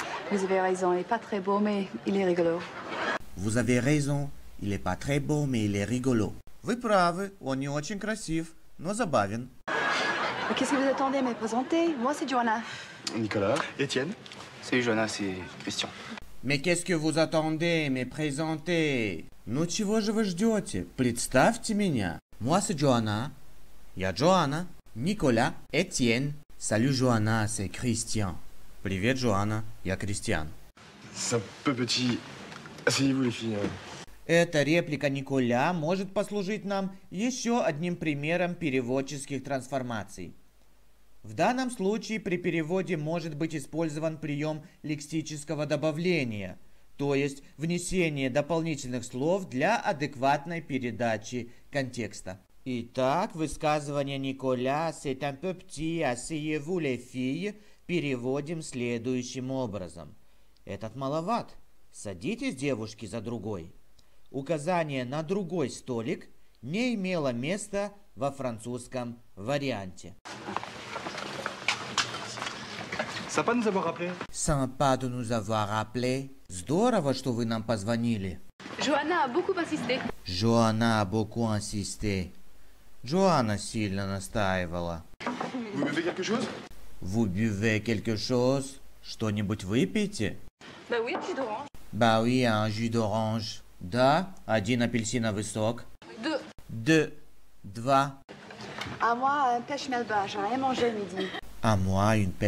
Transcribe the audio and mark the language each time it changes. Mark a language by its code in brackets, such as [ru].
[fr] Vous avez raison, il est pas très beau, mais il est rigolo. [ru] Вы правы, он не очень красив, но забавен. [fr] Qu'est-ce que vous attendez, me présenter? Moi, c'est Johanna. Nicolas. Etienne. Salut, Johanna, c'est Christian. Mais qu'est-ce que vous attendez, me présenter? [ru] Ну, чего же вы ждете? Представьте меня. [fr] Moi, c'est Johanna. [ru] Я Джоанна. Николя. Этьен. [fr] Salut, Johanna, c'est Christian. [ru] Привет, Джоанна, я Кристиан. [fr] C'est un peu petit. Asseyez-vous, les filles. [ru] Эта реплика Николя может послужить нам еще одним примером переводческих трансформаций. В данном случае при переводе может быть использован прием лексического добавления, то есть внесение дополнительных слов для адекватной передачи контекста. Итак, высказывание Николя [fr] «C'est un peu petit, asseyez-vous les filles» [ru] переводим следующим образом. «Этот маловат. Садитесь, девушки, за другой». Указание на другой столик не имело места во французском варианте. [fr] Sympa de nous avoir appelé. [ru] Здорово, что вы нам позвонили. [fr] Johanna a beaucoup insisté. [ru] Джоанна сильно настаивала. [fr] Vous buvez quelque chose? [ru] Что-нибудь выпейте? [fr] Bah oui, un jus d'orange. [ru] Да, один апельсиновый сок. Два. [fr] А moi une pêche melba, j'ai rien mangé à midi.